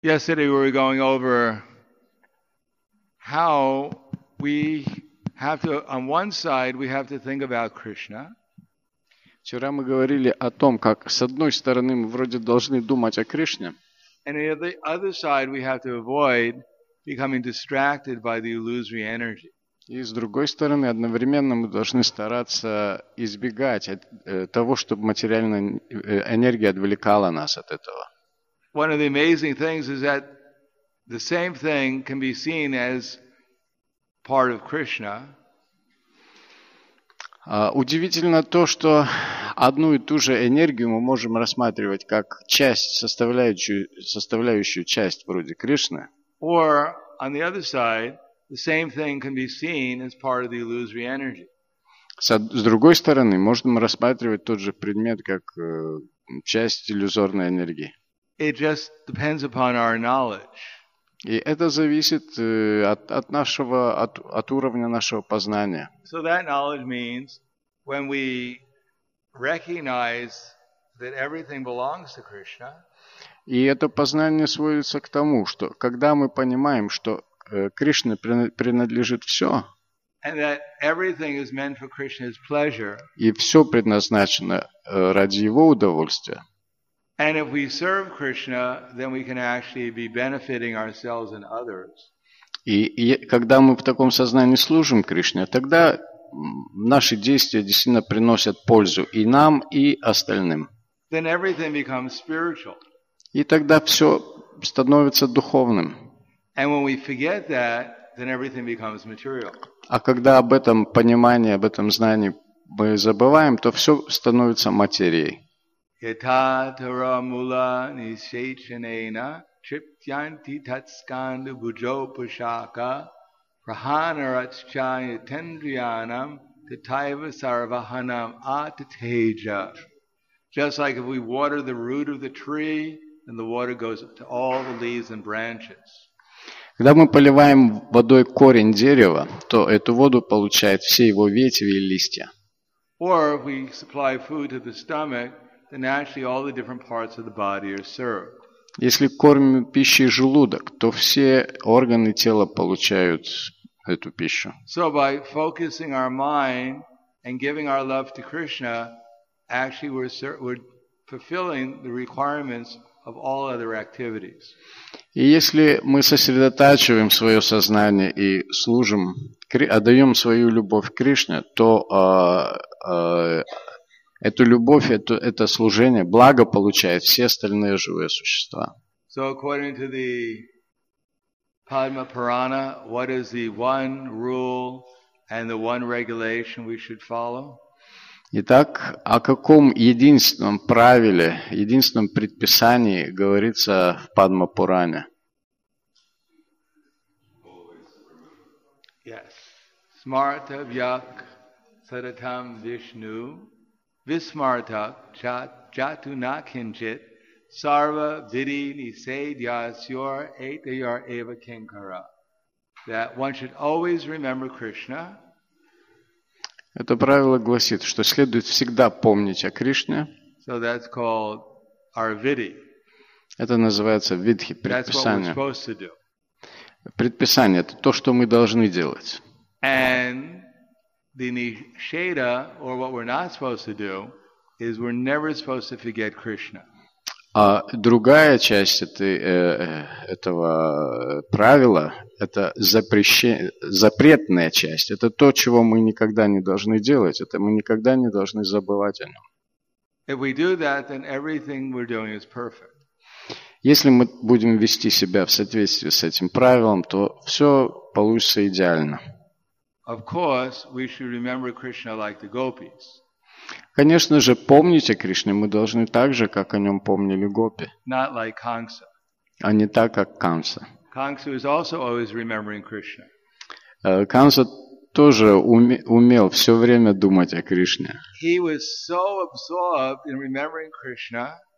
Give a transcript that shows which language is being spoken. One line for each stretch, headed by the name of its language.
English: Yesterday, we were going over how we have to, on one side, we have to think about Krishna.
Russian: Вчера мы говорили о том, как с одной стороны мы вроде должны думать о Кришне.
English: And on the other side, we have to avoid becoming distracted by the illusory energy.
Russian: И с другой стороны, одновременно мы должны стараться избегать того, чтобы материальная энергия отвлекала нас от этого.
English: One of the amazing things is that the same thing can be seen as part of Krishna.
Russian: Удивительно то, что одну и ту же энергию мы можем рассматривать как часть, составляющую часть вроде Кришны.
English: Or, on the other side, the same thing can be seen as part of the illusory energy.
Russian: С другой стороны, можно рассматривать тот же предмет как часть иллюзорной энергии.
English: It just depends upon our knowledge.
Russian: И это зависит от уровня нашего познания.
English: So that knowledge means when we recognize that everything belongs to Krishna.
Russian: И это познание сводится к тому, что когда мы понимаем, что Кришне принадлежит все,
English: and that everything is meant for Krishna's pleasure.
Russian: И все предназначено ради его удовольствия.
English: And if we serve Krishna, then we can actually be benefiting ourselves and others.
Russian: И когда мы в таком сознании служим Кришне, тогда наши действия действительно приносят пользу и нам, и остальным.
English: Then everything becomes spiritual.
Russian: И тогда все становится духовным.
English: And when we forget that, then everything becomes material.
Russian: А когда об этом понимании, об этом знании мы забываем, то все становится материей.
Sanskrit: Yatatara mula nishechanena chipyanti tatskandu bujo pushaka prahanarachchaya tendriyanam tataiva sarvahanam atateja.
English: Just like if we water the root of the tree, then the water goes to all the leaves and branches.
Russian: Когда мы поливаем водой корень дерева, то эту воду получают все его ветви и листья.
English: Or if we supply food to the stomach, then actually all the different parts of the body are served.
Russian: Если кормим пищей желудок, то все органы тела получают эту пищу.
English: So by focusing our mind and giving our love to Krishna, actually we're fulfilling the requirements of all other activities.
Russian: И если мы сосредотачиваем свое сознание и служим, отдаем свою любовь Кришне, то эту любовь, это служение, благо получает все остальные живые существа.
English: So according to the Padma Purana, what is the one rule and the one regulation we should follow?
Russian: Итак, о каком единственном правиле, единственном предписании говорится в Падма Пуране?
Sanskrit: Yes. Smarta Vyak Saratam Vishnu. Vismartak jatu na kinchit sarva vidhi nisedyasyor etayor eva kinkara.
English: That one should always remember Krishna.
Russian: Это правило гласит, что следует всегда помнить о Кришне.
English: So that's called arvidhi.
Russian: Это называется видхи, предписание.
English: That's what we're supposed to do.
Russian: Предписание – это то, что мы должны делать.
English: And the nisheda, or what we're not supposed to do, is we're never supposed to forget Krishna.
Russian: А другая часть этого правила – это запретная часть. Это то, чего мы никогда не должны делать. Это мы никогда не должны забывать о нем.
English: If we do that, then everything we're doing is perfect.
Russian: Если мы будем вести себя в соответствии с этим правилом, то все получится идеально.
English: Of course, we should remember Krishna like the gopis.
Russian: Конечно же, помнить о Кришне мы должны так же, как о нем помнили гопи.
English: Not like Kamsa.
Russian: А не так, как Камса.
English: Kamsa is also always remembering Krishna.
Russian: Камса тоже умел все время думать о Кришне.
English: He was so absorbed in remembering Krishna.